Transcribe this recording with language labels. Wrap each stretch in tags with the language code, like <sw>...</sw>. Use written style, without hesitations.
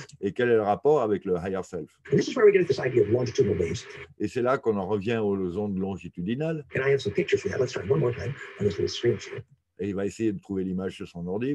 <fr>Et quel est le rapport avec le higher self?</fr> <en>And this is where we get into this idea of longitudinal waves.</en> <fr>Et c'est là qu'on en revient aux ondes longitudinales.</fr> <en>And I have some pictures for that. Let's try one more time on this little screen.</en> <fr>Et il va essayer de trouver l'image sur son ordi.</fr>